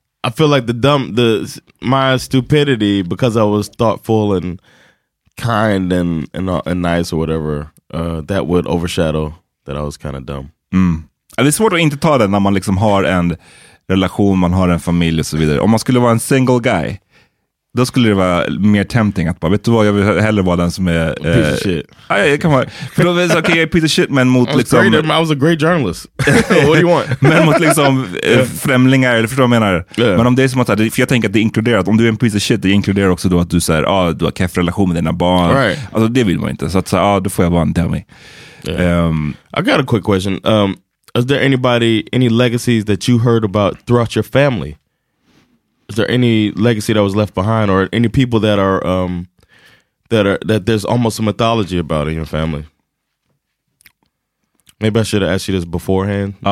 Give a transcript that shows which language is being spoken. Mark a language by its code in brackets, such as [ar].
[en] I feel like my stupidity because I was thoughtful and kind and nice or whatever, that would overshadow that I was kind of dumb. Mm. [sv] Det är svårt att inte ta det när man liksom har en relation, man har en familj och så vidare. Om man skulle vara en [en] single guy, [sv] då skulle det vara mer tempting att bara, vet du vad, jag vill hellre vara den som är [en] piece of shit. Okay, piece of shit, [sv] men mot [en] I was a great journalist. What do you want? [sv] Men mot liksom främlingar, eller förstår du vad jag menar? [en] Yeah. [sv] Men om det är som att, för jag tänker att det inkluderar att om du är en [en] piece of shit, [sv] det inkluderar också då att du säger, du har keff relation med dina barn. [en] Right. [sv] Alltså det vill man inte, så att säga, då får jag vara en dummy. [en] I got a quick question. Is there anybody, any legacies that you heard about throughout your family? Is there any legacy that was left behind, or any people that are that there's almost a mythology about in your family? Maybe I should have asked you this beforehand.